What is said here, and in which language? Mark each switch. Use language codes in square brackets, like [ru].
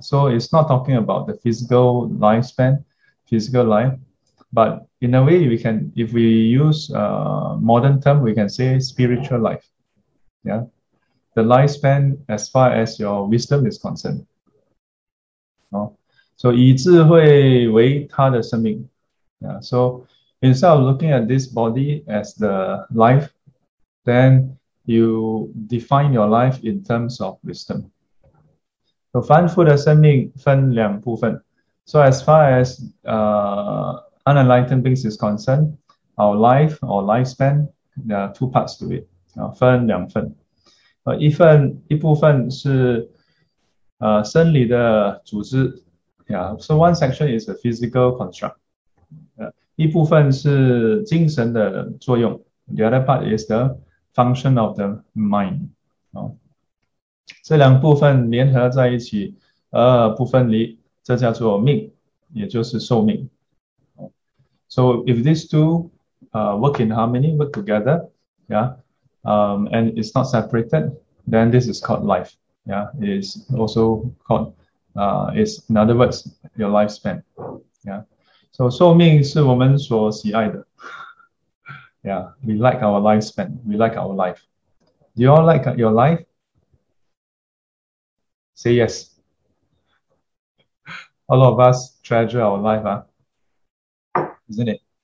[en] So it's not talking about the physical lifespan, physical life, but in a way if we use a modern term, we can say spiritual life. Yeah. The lifespan as far as your wisdom is concerned. Oh. [zh] So 以智慧为他的生命. Yeah. [en] So instead of looking at this body as the life, then You define your life in terms of wisdom. [zh] So, 凡夫的生命分两部分. [en] So, as far as unenlightened beings is concerned, our life or lifespan, there are two parts to it. [zh] 分两份.一部分是生理的组织。 [en] So, one section is a physical construct. [zh] 一部分是精神的作用。 [en] The other part is the function of the mind. [zh] 这两部分联合在一起，而不分离，这叫做命，也就是寿命。 [en] So if these two work in harmony, work together, and it's not separated, then this is called life. It's also called, it's in other words, your lifespan. [zh] So 寿命是我们所喜爱的。 [en] We like our lifespan. We like our life. Do you all like your life? Say yes. All of us treasure our life, isn't it?